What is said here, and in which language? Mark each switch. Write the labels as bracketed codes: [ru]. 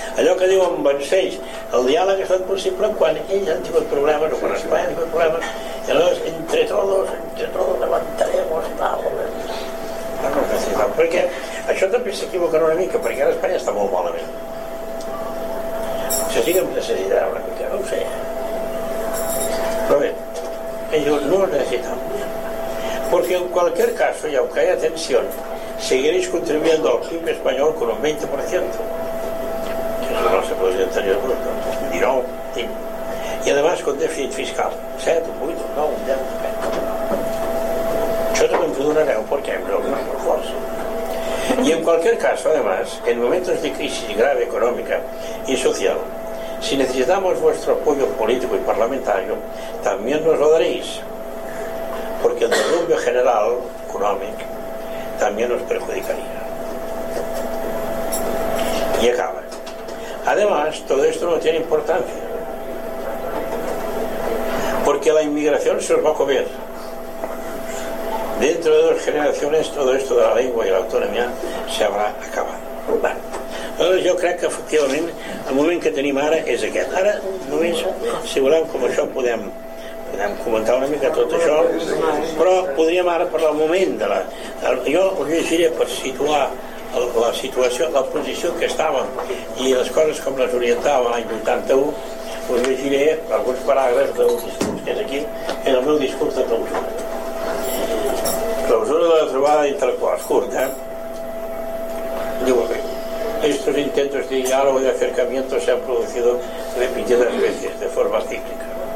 [ca] Allò que diuen Vancells, el diàleg ha estat possible quan ells han tingut problemes, o quan Espanya ha tingut problemes, i aleshores, [es] entre todos, levantaremos [ca] i tal. No els necessitem, perquè això també s'equivoca una mica, perquè ara Espanya està molt malament. Això sí que em necessitarà una mica, no ho sé. Però bé, ells no els necessitem. [es] Porque en cualquier caso, y aunque haya tensión, seguiréis contribuyendo al PIB español con un 20%, que no lo se podría tener el bruto, 19%, y además con déficit fiscal, 7, un 8, un 9, un 10, [ca] això també ens ho donareu perquè hem de donar per força. [es] Y en cualquier caso, además, en momentos de crisis grave económica y social, si necesitamos vuestro apoyo político y parlamentario, también nos lo daréis, porque el derrumbe general [ca] econòmic també [es] nos perjudicaria. [ca] I acaba. [es] Además, todo esto no tiene importancia, porque la inmigración se os va a comer. Dentro de dos generaciones, todo esto de la lengua y la autonomía se habrá acabado. Bueno, entonces yo creo que efectivamente [ca] el moment que tenim ara és aquest. Ara, només, si voleu, com això podem comentar una mica tot això, però podríem ara parlar un moment de la... Jo us llegiré per situar la situació, la posició que estàvem i les coses com les orientava l'any 81, us llegiré alguns paràgrafs del discurs que és aquí, en el meu discurs de clausura. Clausura de la trobada d'intel·lectuals, curt, eh? Diu, bé, [es] estos intentos de diálogo y de acercamiento se han producido repetidas veces, de forma cíclica.